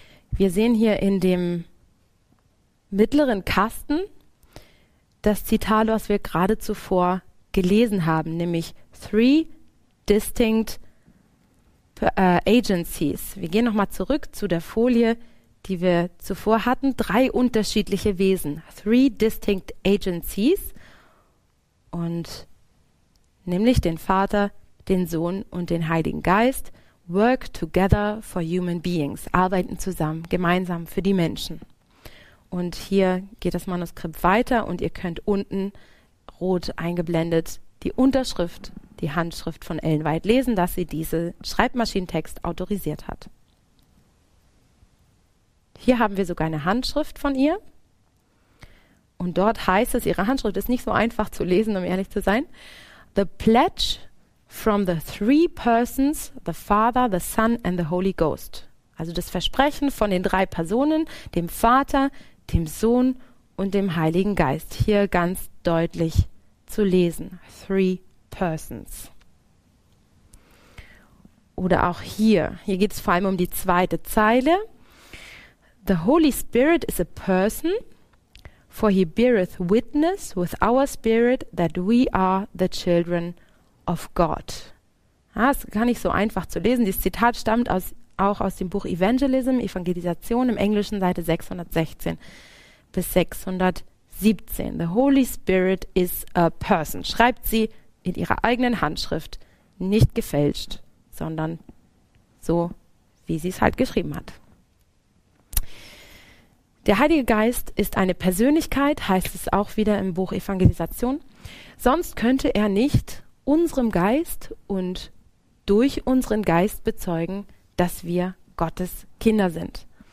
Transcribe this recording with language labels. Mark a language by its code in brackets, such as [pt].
[de] Wir sehen hier in dem mittleren Kasten das Zitat, was wir gerade zuvor gelesen haben, nämlich [en] 3 distinct agencies. [de] Wir gehen nochmal zurück zu der Folie, die wir zuvor hatten. 3 unterschiedliche Wesen. [en] 3 distinct agencies. [de] Und nämlich den Vater, den Sohn und den Heiligen Geist. [en] Work together for human beings. [de] Arbeiten zusammen, gemeinsam für die Menschen. Und hier geht das Manuskript weiter und ihr könnt unten rot eingeblendet die Unterschrift, die Handschrift von Ellen White lesen, dass sie diesen Schreibmaschinentext autorisiert hat. Hier haben wir sogar eine Handschrift von ihr. Und dort heißt es, ihre Handschrift ist nicht so einfach zu lesen, um ehrlich zu sein. [en] The pledge from the 3 persons, the Father, the Son and the Holy Ghost. [de] Also das Versprechen von den 3 Personen, dem Vater, dem Sohn und dem Heiligen Geist. Hier ganz deutlich zu lesen. [en] 3 persons. [de] Oder auch hier. Hier geht es vor allem um die zweite Zeile. [en] The Holy Spirit is a person, for he beareth witness with our spirit that we are the children of God. [de] Ja, das ist gar nicht so einfach zu lesen. Dieses Zitat stammt aus dem Buch Evangelism, Evangelisation, im Englischen Seite 616 bis 617. [en] The Holy Spirit is a person. [de] Schreibt sie in ihrer eigenen Handschrift, nicht gefälscht, sondern so, wie sie es halt geschrieben hat. Der Heilige Geist ist eine Persönlichkeit, heißt es auch wieder im Buch Evangelisation. Sonst könnte er nicht unserem Geist und durch unseren Geist bezeugen, dass wir Gottes Kinder sind.